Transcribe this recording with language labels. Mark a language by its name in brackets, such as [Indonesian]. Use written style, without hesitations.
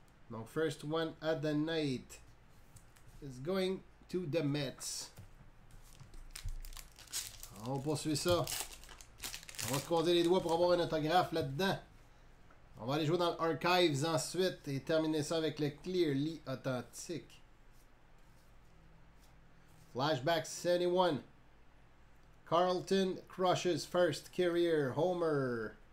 [French] Donc [English] first one of the night is going to the Mets. [French] On poursuit ça. On va se croiser les doigts pour avoir un autographe là-dedans. On va aller jouer dans l'Archives ensuite et terminer ça avec le Clear Lee Authentique. [English] Flashback 71. Carlton crushes first career homer.